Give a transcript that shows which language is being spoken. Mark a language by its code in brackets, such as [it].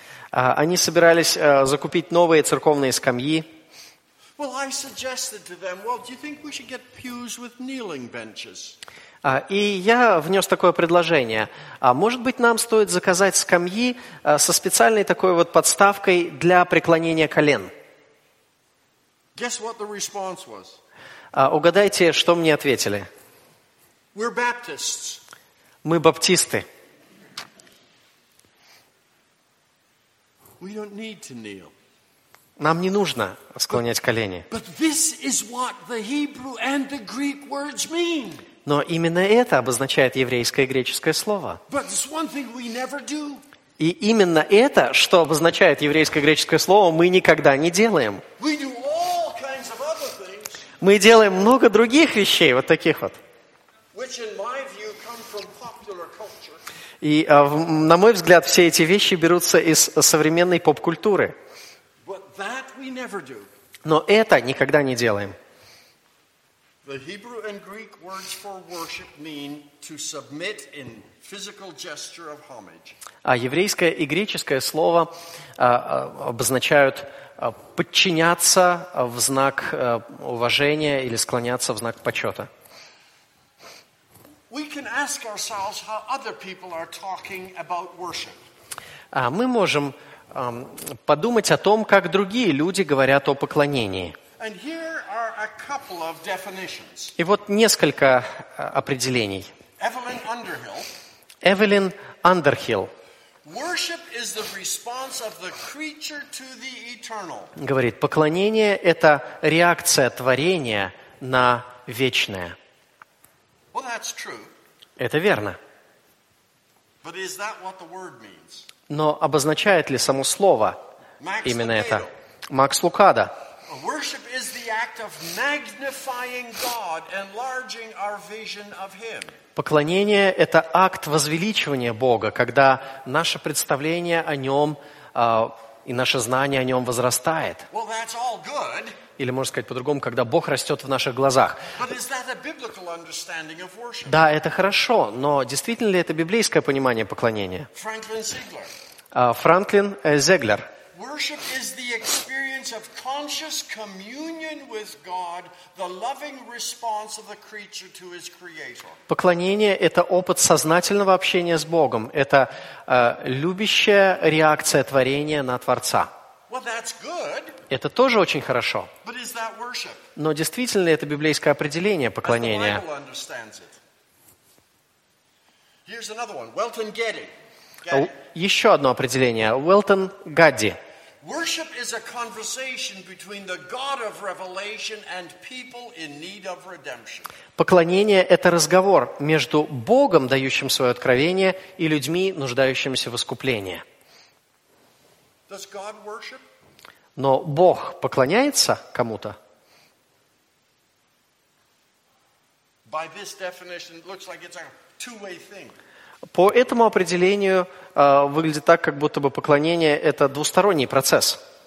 [ru] Они собирались закупить новые церковные скамьи. [en] Well, I suggested to them, well, do you think we should get pews with kneeling benches? [ru] И я внес такое предложение. Может быть, нам стоит заказать скамьи со специальной такой вот подставкой для преклонения колен? [en] Guess what the response was? [ru] Угадайте, что мне ответили. [en] We're Baptists. [ru] Мы баптисты. [en] We don't need to kneel. [ru] Нам не нужно склонять колени. [en] But this is what the Hebrew and the Greek words mean. [ru] Но именно это обозначает еврейское и греческое слово. [en] But it's one thing we never do. [ru] И именно это, что обозначает еврейское и греческое слово, мы никогда не делаем. [en] We do all kinds of other things, [ru] мы делаем много других вещей, вот таких вот. [en] Which in my view come from popular culture. [ru] И, на мой взгляд, все эти вещи берутся из современной поп-культуры. [en] But that we we never do. [ru] Но это никогда не делаем. [en] The Hebrew and Greek words for worship mean to submit in physical gesture of homage. [ru] А еврейское и греческое слово обозначают подчиняться в знак уважения или склоняться в знак почета. [en] We can ask ourselves how other people are talking about worship. [ru] А мы можем подумать о том, как другие люди говорят о поклонении. [en] And here are a couple of definitions. [ru] И вот несколько определений. [en] Evelyn Underhill. Evelyn Underhill. Worship is the response of the creature to the eternal. [ru] Говорит, поклонение – это реакция творения на вечное. [en] Well, that's true. [ru] Это верно. [en] But is that what the word means? [ru] Но обозначает ли само слово [en] Max [ru] именно [en] Lucado. [ru] Это? Макс Лукадо. [en] Worship is the act of magnifying God, enlarging our vision of Him. [ru] Поклонение – это акт возвеличивания Бога, когда наше представление о Нем и наше знание о Нем возрастает. [en] Well, that's all good. [ru] Или можно сказать по-другому, когда Бог растет в наших глазах. [en] But is that a biblical understanding of worship? [ru] Да, это хорошо, но действительно ли это библейское понимание поклонения? Франклин Зеглер. Франклин Зеглер. [en] Worship is the experience of conscious communion with God, the loving response of the creature to his creator. [ru] Поклонение – это опыт сознательного общения с Богом, это любящая реакция творения на Творца. [en] Well, that's good. [ru] Это тоже очень хорошо. [en] But is that worship? [ru] Но действительно ли это библейское определение поклонения? [en] As the Bible understands it. Here's another one. Welton Getty. [ru] Getty. Еще одно определение. Уэлтон Гадди. [en] Worship is a conversation between the God of Revelation and people in need of redemption. [ru] Поклонение – это разговор между Богом, дающим свое откровение, и людьми, нуждающимися в искуплении. [en] Does God worship? [ru] Но Бог поклоняется кому-то? [en] By this definition, it looks like it's a two-way thing. [ru] По этому определению выглядит так, как будто бы поклонение – это двусторонний процесс.